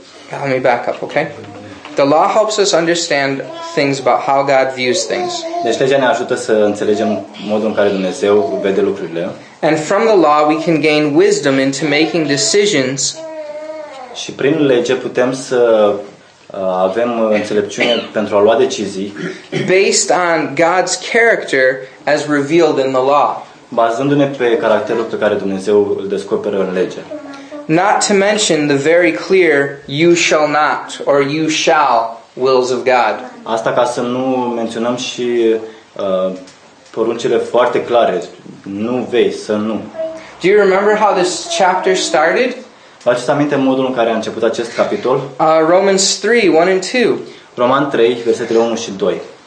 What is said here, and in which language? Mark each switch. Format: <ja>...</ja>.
<en>The law helps us understand things about how God views things.</en> <ro>Deci legea ne ajută să înțelegem modul în care Dumnezeu vede lucrurile.</ro> <en>And from the law we can gain wisdom into making decisions.</en> <ro>Și prin lege putem să avem înțelepciune pentru a lua decizii.</ro> <en>Based on God's character as revealed in the law.</en> <ro>Bazându-ne pe caracterul pe care Dumnezeu îl descoperă în lege.</ro> <en>Not to mention the very clear you shall not or you shall wills of God.</en> <ro>Asta ca să nu menționăm și poruncile foarte clare, nu vei, să nu.</ro> <en>Do you remember how this chapter started?</en> <ro>Vă-ați aminte modul în care a început acest capitol?</ro> <en>Romans 3, 1 and 2.</en> <ro>Roman 3, versetele 1 și 2.</ro>